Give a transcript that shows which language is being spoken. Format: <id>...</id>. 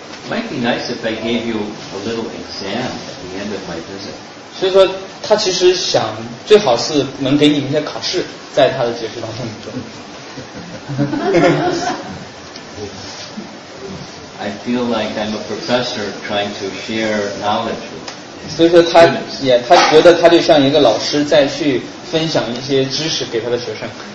<en>Might be nice if I gave you a little exam at the end of my visit.</en> <zh>所以说他其实想最好是能给你们一些考试在他的解释当中。</zh> <en>I feel like I'm a professor trying to share knowledge with you.</en> <zh>所以说他也他觉得他就像一个老师在去分享一些知识给他的学生。</zh>